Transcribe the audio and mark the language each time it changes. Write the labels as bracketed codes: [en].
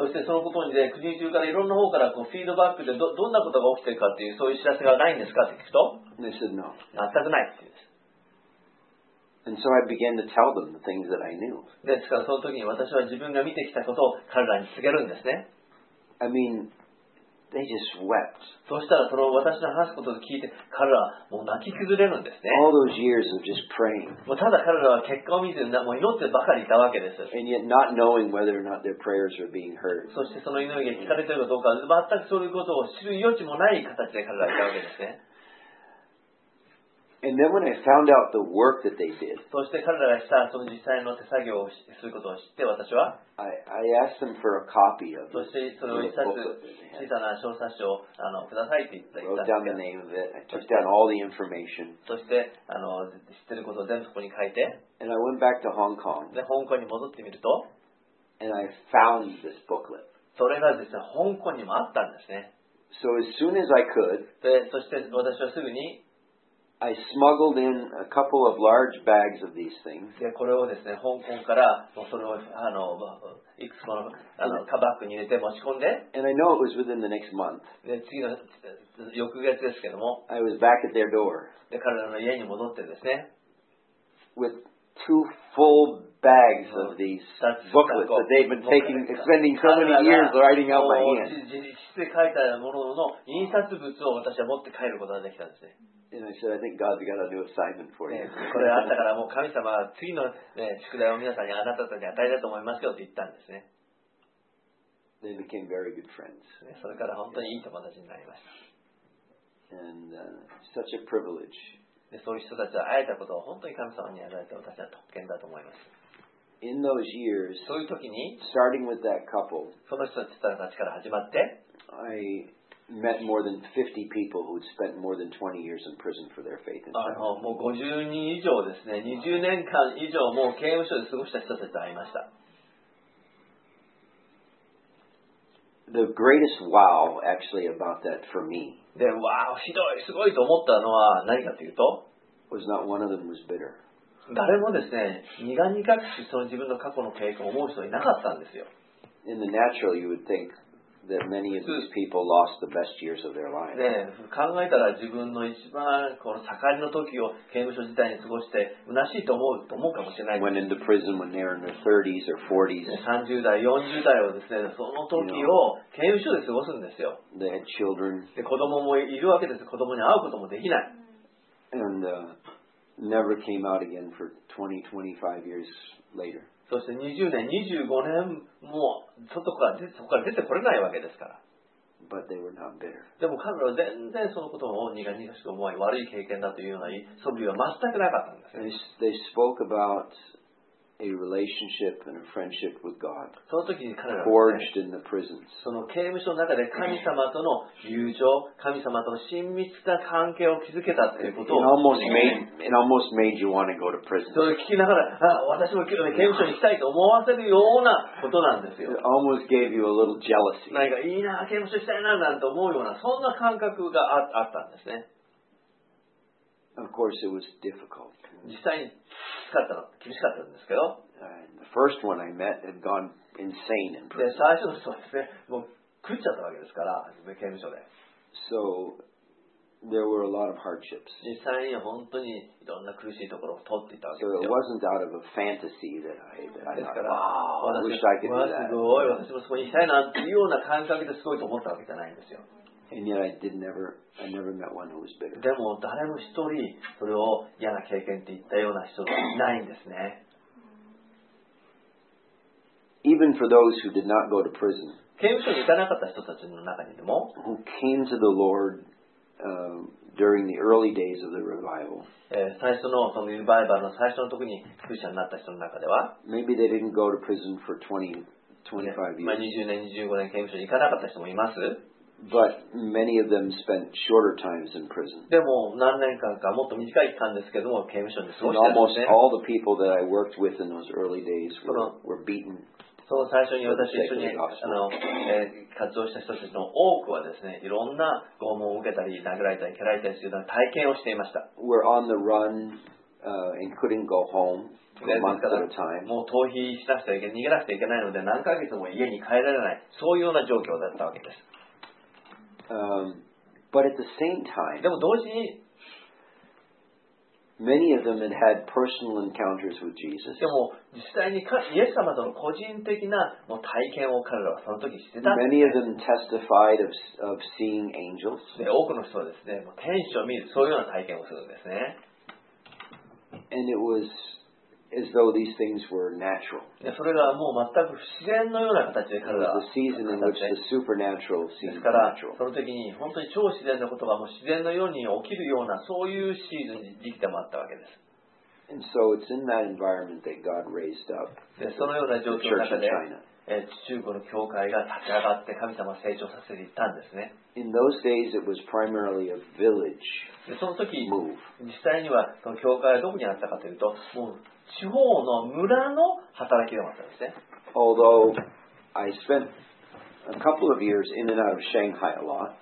[ja] そしてそのことにね、国中からいろんな方からこうフィードバックでどんなことが起きてるかっていうそういう知らせがないんですかって聞くと、 [en] They said, no. [ja] 全くないって言うんです。 [en] And so I began to tell them the things that I knew. [ja] ですからその時に私は自分が見てきたことを彼らに告げるんですね。 [en] I mean,They just wept. [ja] そしたらその私の話すことを聞いて彼らはもう泣き崩れるんですね。 [en] All those years of just praying. [ja] もうただ彼らは結果を見ずにもう祈ってばかりいたわけです。 [en] And yet not knowing whether or not their prayers were being heard. [ja] そしてその祈りが聞かれているかどうか全くそういうことを知る余地もない形で彼らはいたわけですね。 [en] And then when I found out the work that they did, [ja] そして彼らがしたその実際の手作業をすることを知って私は、 [en] I asked them for a copy of [ja] そしてその一冊小さな小冊子をくださいって言った。 [en] Wrote down the name of it. I took down all the information. [ja] そして知ってることを全部そこに書いて。 [en] And I went back to Hong Kong. [ja] で香港に戻ってみると、 [en] And I found this booklet. [ja] それがですね香港にもあったんですね。 [en] So as soon as I could, [ja] でそして私はすぐに。 [en] I smuggled in a couple of large bags of these things. [ja] で、これをですね、香港からそれをいくつものカバッグに入れて持ち込んで。 [en] And I know it was within the next month. [ja] で、次の翌月ですけども。 [en] I was back at their door. [ja] で、彼らの家に戻ってですね。 [en] With two full bags of these booklets that they've been taking, spending so many years writing out by hand. [ja] 自筆で書いたものの印刷物を私は持って帰ることができたんですね。 [en] And I said, I think God's got a new assignment for you. [ja] これあったからもう神様は次の、ね、宿題を皆さんにあなたたちに与えたと思いますよと言ったんですね。 [en] They became very good friends. [ja] それから本当にいい友達になりました。 [en] And such a privilege. [ja] でそういう人たちと会えたことを本当に神様に与えた私は特権だと思います。 [en] In those years, [ja] そういう時に、 [en] starting with that couple, [ja] その人たちから始まって、 [en] I met more than 50 people who had spent more than 20 years in prison for their faith in China. [ja] もう50人以上ですね。 20年間以上もう刑務所で過ごした人たちと会いました。 [en] The greatest wow actually about that for me. [ja] で、わあ、ひどい、すごいと思ったのは何かというと、 [en] was not one of them was bitter. [ja] 誰もですね、苦々しいその自分の過去の経験を思う人いなかったんですよ。 [en] In the natural, you would think. That many of these people lost the best years of their life. [ja] ね、考えたら自分の一番この盛りの時を刑務所時代に過ごして虚しいと思うかもしれない。 [en] When in the prison when they're in their 30s or 40s. [ja] 30代40代をですね、その時を刑務所で過ごすんですよ。 [en] They had children. [ja] で、子供もいるわけです。子供に会うこともできない。 [en] And never came out again for 20, 25 years later. [ja] そして20年、25年もそこから出てこれないわけですから。 [en] But they were not bitter. [ja] でも彼らは全然そのことを苦々しく思い、悪い経験だというような素振りは全くなかったんです。 [en] They spoke about a relationship and a friendship with God. [ja] その時に彼らは、ね、 [en] forged in the prisons. [ja] その刑務所の中で神様との友情、神様との親密な関係を築けたということを。 [en] It almost made you want to go to prison. [ja] それを聞きながら、あ、私も刑務所に行きたいと思わせるようなことなんですよ。 [en] It almost gave you a little jealousy. [ja] 何かいいな、刑務所に行きたいななんて思うような、そんな感覚があったんですね。 [en] Of course, it was difficult. [ja] 実際に厳しかったんですけど。 [en] The first one I met had gone insane in prison. [ja] で、最初の人はですね、もう狂っちゃったわけですから、刑務所で。 [en] So, there were a lot of hardships. [ja] 実際に本当にいろんな苦しいところを通っていたわけですよ。 [en] So it wasn't out of a fantasy that I wish I could do that. [ja] 私もそこに行きたいなっていうような感覚ですごいと思ったわけじゃないんですよ。 [en] And yet I never met one who was bitter. [ja] でも誰も一人それを嫌な経験って言ったような人はいないんですね。 [en] Even for those who did not go to prison, [ja] 刑務所に行かなかった人たちの中にでも、 [en] who came to the Lord, during the early days of the revival, [ja] 最初のそのリバイバルの最初の時に復讐者になった人の中では、 [en] maybe they didn't go to prison for 25 years. [ja] まあ20年25年刑務所に行かなかった人もいます。 [en] But many of them spent shorter times in prison. [ja] でも何年間かもっと短い期間ですけども刑務所で過ごしたんですね。 [en] Almost all the people that I worked with in those early days were beaten. [ja] その最初に私一緒に活動した人たちの多くはですね、いろんな拷問を受けたり殴られたり蹴られたりするような体験をしていました。 [en] We're on the run, and couldn't go home for months at a time. [ja] もう逃避しなくてはいけない、逃げなくてはいけないので何ヶ月も家に帰られない、そういうような状況だったわけです。 [en] But at the same time, [ja] でも同時に、 [en] many of them had had personal encounters with Jesus. [ja] でも実際にイエス様との個人的な体験を彼らはその時してた。 [en] Many of them testified of seeing angels. [ja] で多くの人はですね、天使を見るそういうような体験をするんですね。 [en] And it was as though these things were natural. [ja] でそれがもう全く不自然のような形で彼らは。 [en] The season in which the supernatural seems [ja] ですから、その時に本当に超自然のことがもう自然のように起きるようなそういうシーズン時期でもあったわけです。 [en] And so it's in that environment that God raised up. [ja] でそのような状況の中で、中国の教会が立ち上がって神様を成長させていったんですね。 [en] In those days, it was primarily a village. [ja] でその時、実際にはその教会はどこにあったかというと、もう地方の村の働きでもあったんですね。 [en] Although I spent a couple of years in and out of Shanghai a lot.